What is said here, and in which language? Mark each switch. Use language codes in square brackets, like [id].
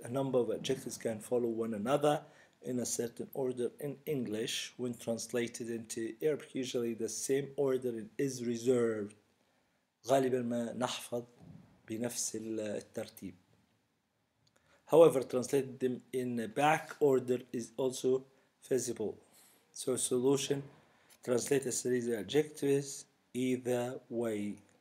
[en] A number of adjectives can follow one another in a certain order in English when translated into Arabic. Usually the same order is reserved. [ar] غالبا ما نحفظ بنفس الترتيب. [en] However, translating them in a back order is also feasible. So solution, translate a series of adjectives either way.